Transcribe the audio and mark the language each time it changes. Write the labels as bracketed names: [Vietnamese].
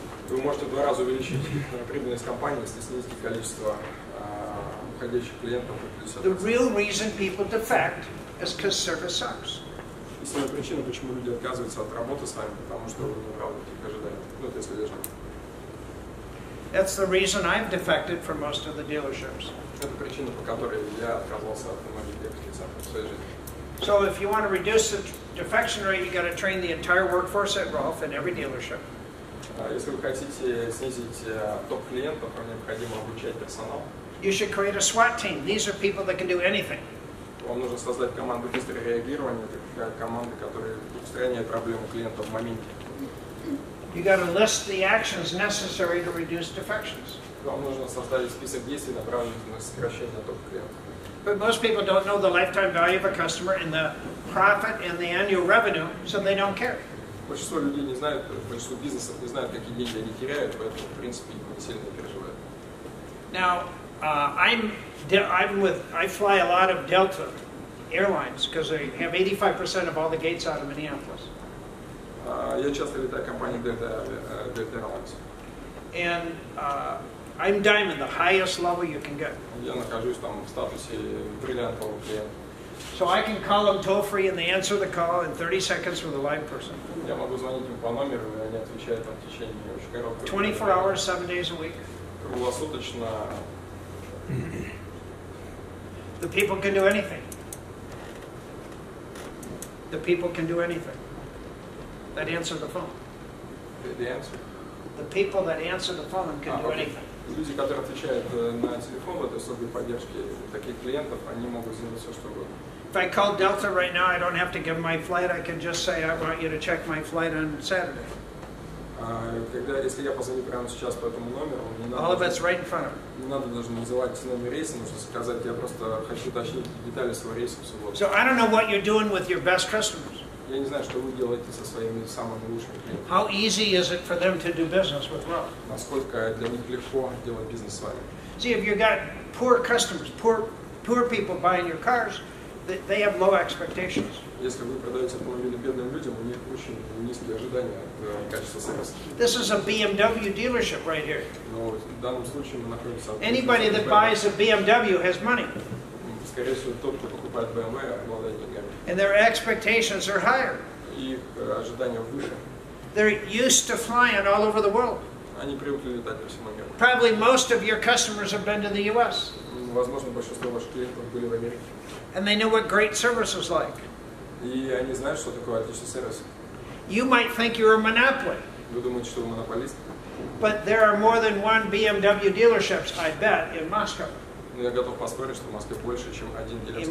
[Russian] Вы можете в два раза увеличить прибыльность компании, если снизите количество уходящих клиентов на 50%. [English] The real reason people defect is because service sucks. [Russian] Основная причина, почему люди отказываются от работы с вами, потому что вы не правы, их ожидают. Ну, это если даже... [English] That's the reason I've defected from most of the dealerships. [Russian] Это причина, по которой я отказался от многих дилерских центров в своей жизни. [English] So if you want to reduce the defection rate, you got to train the entire workforce at Rolf in every dealership. [Russian] Если вы хотите снизить отток клиентов, вам необходимо обучать персонал. [English] You should create a SWAT team. These are people that can do anything. [Russian] Вам нужно создать команду быстрого реагирования, это команды, которые устраняют проблему клиента в моменте. [English] You got to list the actions necessary to reduce defections. [Russian] Вам нужно составить список действий, направленных на сокращение оттока клиентов. [English] But most people don't know the lifetime value of a customer and the profit and the annual revenue, so they don't care. [Russian] Большинство людей не знают, большинство бизнесов не знают, какие деньги они теряют, поэтому, в принципе, не сильно переживают. [English] Now, I fly a lot of Delta airlines because they have 85% of all the gates out of Minneapolis. [Russian] Я часто летаю компанией Delta Airlines. [English] And I'm diamond, the highest level you can get. [Russian] Я нахожусь там в статусе бриллиантового клиента. [English] So I can call them toll free and they answer the call in 30 seconds with a live person. [Russian] Я могу звонить им по номеру, и они отвечают там в течение очень короткого времени. [English] 24 hours, 7 days a week. [Russian] Круглосуточно. [English] The people can do anything. The people can do anything. That answer the phone. The answer. The people that answer the phone can do anything. [Russian] Люди, которые отвечают на телефон в этой особой поддержке таких клиентов, они могут сделать все, что угодно. [English] If I call Delta right now, I don't have to give my flight. I can just say, I want you to check my flight on Saturday. [Russian] Когда, если я позвоню прямо сейчас по этому номеру, мне надо... [English] All of it's right in front of me. [Russian] Не надо даже называть номер рейса, нужно сказать, я просто хочу уточнить детали своего рейса в субботу. [English] So I don't know what you're doing with your best customers. [Russian] Я не знаю, что вы делаете со своими самыми лучшими клиентами. [English] How easy is it for them to do business with Rob? [Russian] Насколько для них легко делать бизнес с вами? [English] See, if you've got poor customers, poor people buying your cars, they have low expectations. [Russian] Если вы продаете автомобили бедным людям, у них очень низкие ожидания от качества сервиса. [English] This is a BMW dealership right here. [Russian] Но в данном случае мы находимся... [English] Anybody that buys a BMW has money. [Russian] Скорее всего, тот, кто покупает BMW, обладает деньгами. [English] And their expectations are higher. [Russian] Их ожидания выше. [English] They're used to flying all over the world. [Russian] Они привыкли летать по всему миру. [English] Probably most of your customers have been to the US. [Russian] Возможно, большинство ваших клиентов были в Америке. [English] And they know what great service is like. [Russian] И они знают, что такое отличный сервис. [English] You might think you're a monopoly. [Russian] Вы думаете, что вы монополист? [English] But there are more than one BMW dealerships, I bet, in Moscow. [Russian] Но я готов поспорить, что в Москве больше, чем один дилерский